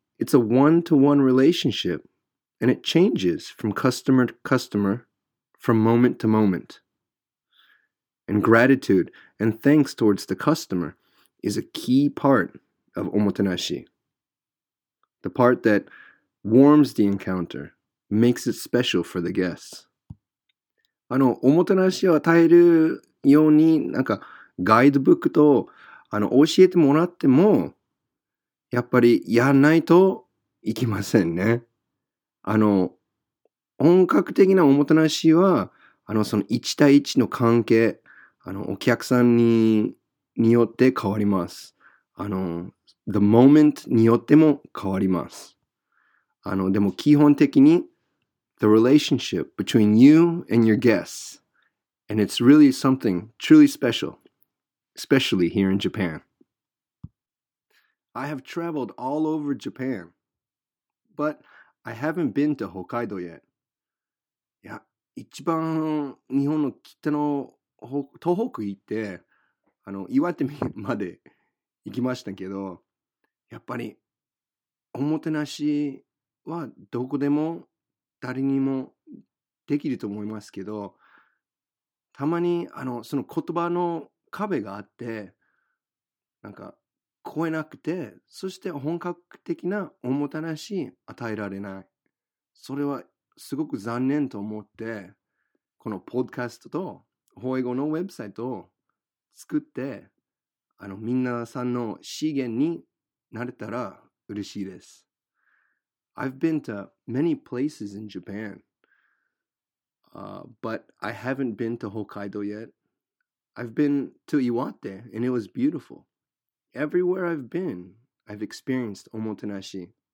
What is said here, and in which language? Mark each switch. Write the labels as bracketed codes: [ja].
[en] It's a one-to-one relationship, and it changes from customer to customerfrom moment to moment. And gratitude and thanks towards the customer is a key part of omotenashi. The part that warms the encounter, makes it special for the guests. [ja] Omotenashi を与えるようになんかガイドブックと教えてもらってもやっぱりやらないといけませんね。本格的なおもてなしはその1対1の関係お客さん によって変わります。 [en] The moment [ja] によっても変わります。でも基本的に [en] The relationship between you and your guests, and it's really something truly special, especially here in Japan. I have traveled all over Japan, but I haven't been to Hokkaido yet. [ja] いや、一番日本の北の東北行って、岩手まで行きましたけど、やっぱりおもてなしはどこでも誰にもできると思いますけど、たまにその言葉の壁があって、なんか超えなくて、そして本格的なおもてなし与えられない。それはすごく残念と思って、このポッドキャストと、ホエゴのウェブサイトを作って、みんなさんの資源になれたら嬉しいです。 [en] I've been to many places in Japan, but I haven't been to Hokkaido yet. I've been to Iwate, and it was beautiful. Everywhere I've been, I've experienced omotenashi.